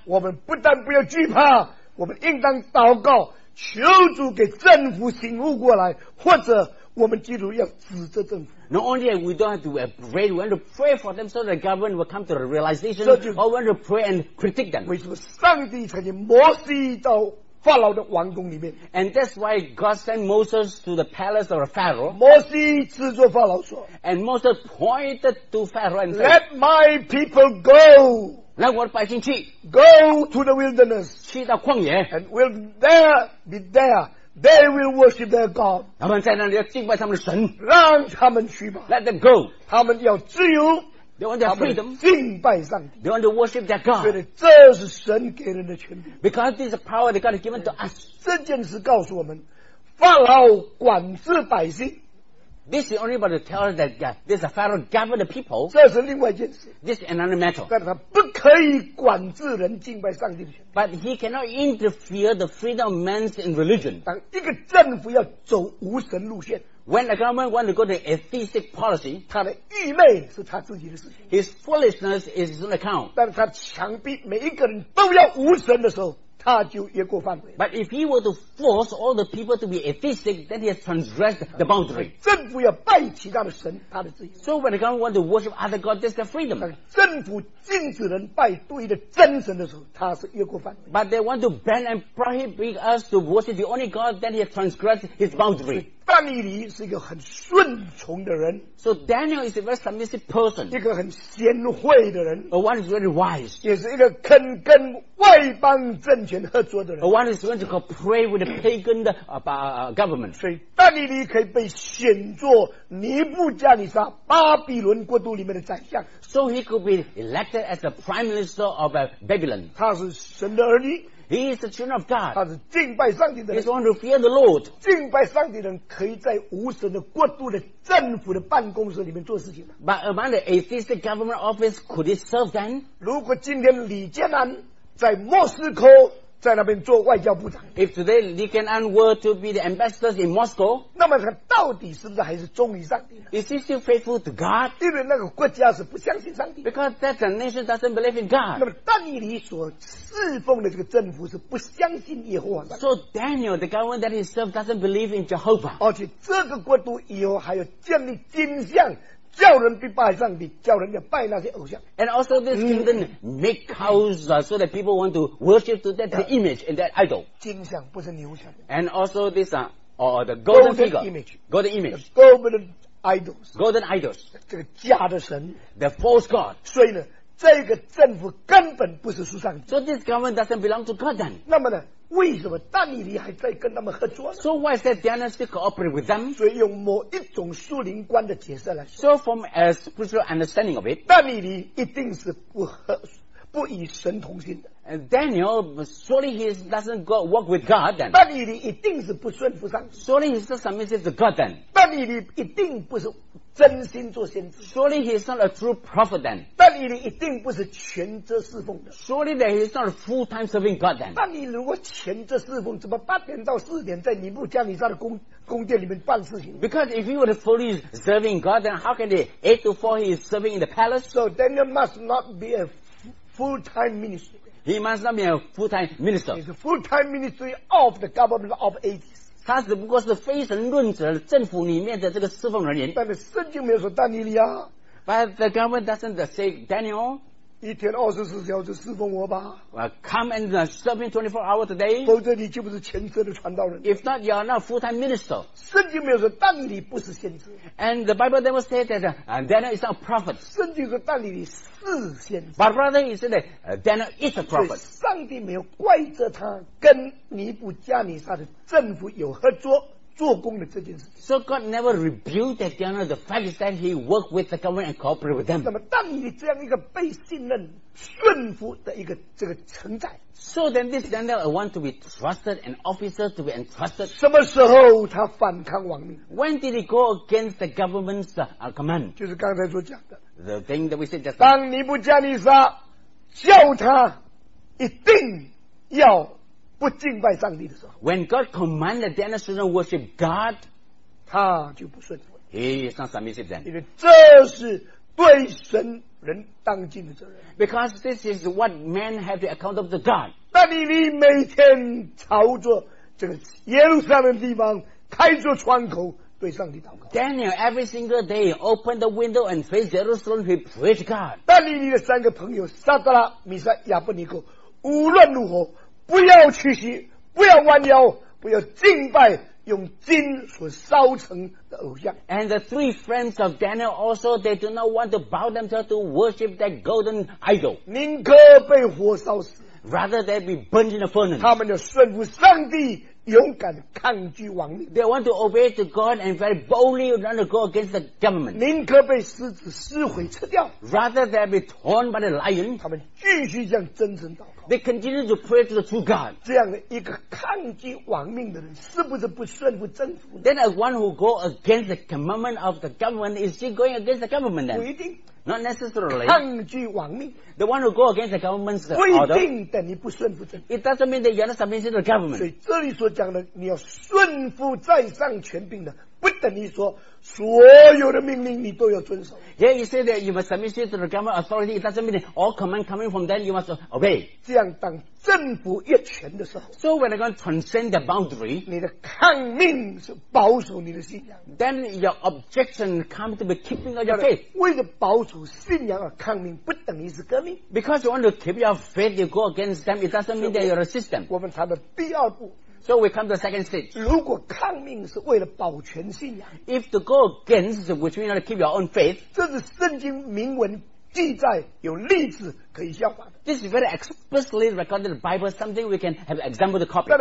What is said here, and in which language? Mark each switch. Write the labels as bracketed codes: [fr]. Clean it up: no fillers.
[zh] 我们不但不要惧怕，我们应当祷告，求主给政府醒悟过来，或者。我们基督徒要指着政府。 [en] Not only we don't have to pray, we want to pray for them so the government will come to the realization, or we want to pray and critique them. [zh] 为什么上帝曾经摩西到法老的王宫里面 [en] ？And that's why God sent Moses to the palace of the Pharaoh. [zh] 摩西指着法老说 [en] ，And Moses pointed to Pharaoh and said, "Let my people go." [zh] 让我的百姓去。 [en] Go to the wilderness. [zh] 去到旷野。 [en] And will there be there? They will worship their God. [zh] 他们在那里要敬拜他们的神。让他们去吧。 [en] Let them go. [zh] 他们要自由。 [en] They want their freedom. [zh] 敬拜上帝。 [en] They want to worship their God. [zh] 所以这是神给人的权利。 [en] Because this is the power that God has given to us. [zh] 这件事告诉我们，法老管制百姓。 [en] This is only about to tell us that this is a Pharaoh govern the people. [zh] 这是另外一件事。 [en] This is another matter. [zh] 但他不可以管制人敬拜上帝的权利。 [en] But he cannot interfere the freedom of men in religion. [zh] 当一个政府要走无神路线 [en] ，When the government want to go to atheistic policy, [zh] 他的愚昧是他自己的事情。 [en] His foolishness is his own account. [zh] 但他强逼每一个人都要无神的时候。他就越过范围。 [en] But if he were to force all the people to be atheistic, then he has transgressed the boundary. [zh] 政府要拜其他的神，他的自由。 [en] So when the government want to worship other gods, that's their freedom. [zh] 政府禁止人拜对的真神的时候，他是越过范围。 [en] But they want to ban and prohibit us to worship the only God, then he has transgressed his boundary. [zh] 但以理是一个很顺从的人。 [en] So Daniel is a very submissive person. [zh] 一个很贤惠的人。 [en] A one is very wise. [zh] 也是一个肯跟外邦政权合作的人。 [en] A one is going to cooperate with the pagan government. [zh] 所以但以理可以被选作尼布加尼撒巴比伦国度里面的宰相。 [en] So he could be elected as the prime minister of Babylon. [zh] 他是神的儿女。 [en] He is the children of God. [zh] 他是敬拜上帝的人。 [en] He is one who fear the Lord. [zh] 敬拜上帝的人可以在无神的国度的政府的办公室里面做事情。 [en] But among the atheistic government office, could he serve then? [zh] 如果今天李建安在莫斯科在那边做外交部长 [en] ，If today Li Keqiang were to be the ambassador in Moscow, [zh] 那么他到底是不是还是忠于上帝 [en] ？Is he still faithful to God? [zh] 因为那个国家是不相信上帝 [en] ，Because that nation doesn't believe in God. [zh] 那么但以理所侍奉的这个政府是不相信耶和华的。 [en] So Daniel, the government that he served doesn't believe in Jehovah. [zh] 而且这个国度以后还要建立金像。叫人去拜上帝，叫人要拜那些偶像。 [en] And also this kingdom make cows so that people want to worship to that the image and that idol. [zh] 金像不是牛像。 [en] And also this the golden figure, golden image, golden idols, golden idols. [zh] 这个假的神 [en] ，the false god. [zh] 所以呢，这个政府根本不是属上帝。 [en] So this government doesn't belong to God then. [zh] 那么呢？为什么但以理还在跟他们合作呢 [en] ？So why is that Daniel still cooperate with them？ [zh] 所以用某一种属灵观的解释来说 [en] ，So from a spiritual understanding of it， [zh] 但以理一定是不与神同心的。 [en] And Daniel surely he doesn't go work with God then。 [zh] 但以理一定是不顺服上帝。 [en] Surely he's not submissive to God then。 [zh] 但以理一定不是真心做先知。 [en] Surely he's not a true prophet then。 [zh] 但以理一定不是全职侍奉的。 [en] Surely that he's not a full time serving God then。 [zh] 但你如果全职侍奉，怎么八点到四点在尼布加尼撒的宫殿里面办事情 [en] ？Because if he were fully serving God, then how can he 8 to 4 he is serving in the palace? So Daniel must not be a full time minister. He must not be a full-time minister. He's a full-time ministry of the government of atheists. [zh] 他只不过是非神论者政府里面的这个侍奉人员。但是圣经没有说但以理啊。 [en] But the government doesn't say Daniel. [zh] 一天24小时侍奉我吧。 [en] Come and serve me 24 hours today. [zh] 否则你就不是全职的传道人。 [en] If not, you are not full-time minister. [zh] 圣经没有说但以理不是先知。 [en] And the Bible never said that Daniel is not a prophet. [zh] 圣经说但以理是。 [en] But rather, he said that Daniel is a prophet. [zh] 上帝没有怪责他跟尼布加尼撒的政府有合作，做工的这件事。 [en] So God never rebuked Daniel the fact is that he worked with the government and cooperated with them. [zh] 那么当你这样一个被信任顺服的一个这个承载。 [en] So then this Daniel want to be trusted, an officer to be entrusted. [zh] 什么时候他反抗王命？ [en] When did he go against the government's command? [zh] 就是刚才所讲的。 [en] The thing that we said just. [zh] 当尼布加尼撒叫他一定要不敬拜上帝的时候 [en] ，When God commanded Daniel to not worship God， [zh] 他就不顺服。 [en] He is not submissive then， [zh] 因为这是对神人当尽的责任。 [en] Because this is what men have to account of to God。 [zh] 但你每天朝着这个耶路撒冷的地方开着窗口对上帝祷告。 [en] Daniel every single day opened the window and faced Jerusalem to pray to God。 [zh] 但你的三个朋友撒德拉、米撒、亚伯尼哥，无论如何。不要屈膝，不要弯腰，不要敬拜用金所烧成的偶像。 [en] And the three friends of Daniel also, they do not want to bow themselves to worship that golden idol. [zh] 宁可被火烧死。 [en] Rather they be burned in the furnace. [zh] 他们就顺服上帝，勇敢抗拒王命。 [en] They want to obey to God and very boldly run to go against the government. [zh] 宁可被狮子撕毁吃掉。 [en] Rather they be torn by the lion. [zh] 他们继续这样真诚祷告。 [en] They continue to pray to the true God. [zh] 这样的一个抗拒亡命的人，是不是不顺服政府？ [en] Then as one who go against the commandment of the government, is he going against the government then? [zh] 不一定。 [en] Not necessarily. [zh] 抗拒亡命。 [en] The one who go against the government's order. [zh] 不一定等于不顺服政府。 [en] It doesn't mean that you're not submissive to the government. [zh] 所以这里所讲的，你要顺服在上权柄的，不等于说所有的命令你都要遵守。 [en] Yeah, you say that you must submit to the government authority. It doesn't mean that all command coming from them you must obey. [zh] 这样当政府越权的时候 [en] ，So when they're going to transcend the boundary, [zh] 你的抗命是保守你的信仰。 [en] Then your objection comes to be keeping of your faith. [zh] 为了保守信仰而抗命，不等于是革命。 [en] Because you want to keep your faith, you go against them. It doesn't mean that you're a system. [zh] 我们谈的第二步。 [en] So we come to the second stage. [zh] 如果抗命是为了保全信仰 [en] ，If to go against, which means to keep your own faith, [zh] 这是圣经明文记载有例子可以效仿的。 [en] This is very explicitly recorded in the Bible, something we can have example to copy.